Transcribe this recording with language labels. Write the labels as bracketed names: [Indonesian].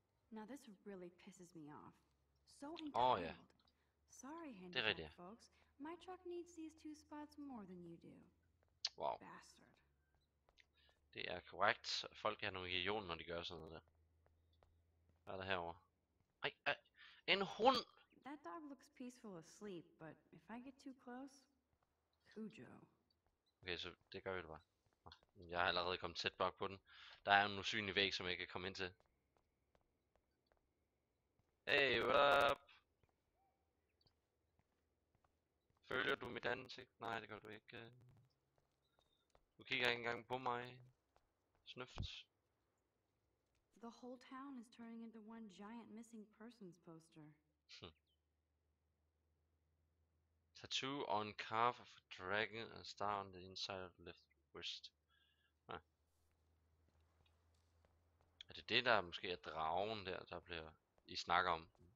[English] Now this really pisses me off. So entitled. Oh, yeah. Sorry, handicapped folks. My truck needs these two spots more than you do. Wow. Bastard. [Danish] Det er korrekt. Folk er nogle idioter, når de gør sådan noget der. Hvad er der herovre? Ej, en hund! [English] That dog looks peaceful asleep, but if I get too close, Cujo. [Danish] Okay, så det gør vi det bare. Jeg har allerede kommet tæt bak på den. Der er en usynlig væg, som jeg ikke kan komme ind til. [English] Hey, what up? [Danish] Følger du mit ansigt? Nej, det gør du ikke. Du kigger ikke engang på mig. Snøft. [English] The whole town is turning into one giant missing persons poster. Tattoo on calf of a dragon and star on the inside of left wrist. [Danish] Er det det, der måske er dragen der, der bliver I snakker om?